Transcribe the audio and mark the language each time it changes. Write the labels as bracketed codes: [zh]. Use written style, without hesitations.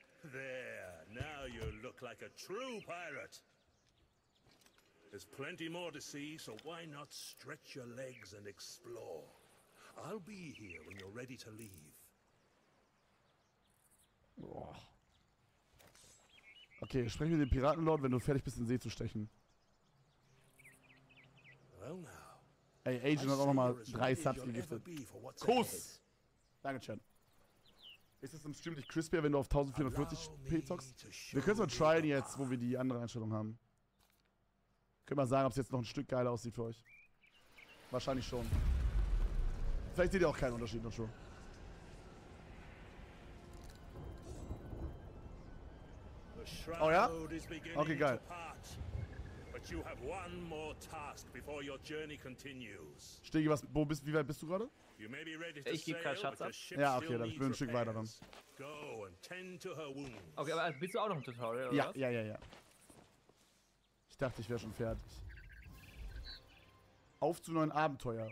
[en] There, now you look like a true pirate. There's plenty more to see, so why not stretch your legs and explore? I'll be here when you're ready to leave. [de] Okay, sprich mit dem Piratenlord, wenn du fertig bist, in See zu stechen. [en] Well now, [de] ey, Agent hat auch nochmal 3 Subs gegiftet. Kuss! Danke, Chan. Ist es im Stream nicht crispier, wenn du auf 1440p zockst? Wir können es mal tryen jetzt, wo wir die andere Einstellung haben. Können wir sagen, ob es jetzt noch ein Stück geiler aussieht für euch? Wahrscheinlich schon. Vielleicht seht ihr auch keinen Unterschied noch schon. Oh ja? Okay, geil. [en] But you have one more task before your journey continues. [de] Stegi, was, wo bist, wie weit bist du gerade? Ich gebe keinen Schatz ab. Ja, okay, dann ich bin ein Stück weiter dann. Okay, aber bist du auch noch im Tutorial, oder ja, was? Ja. Ich dachte, ich wäre schon fertig. Auf zu neuen Abenteuer.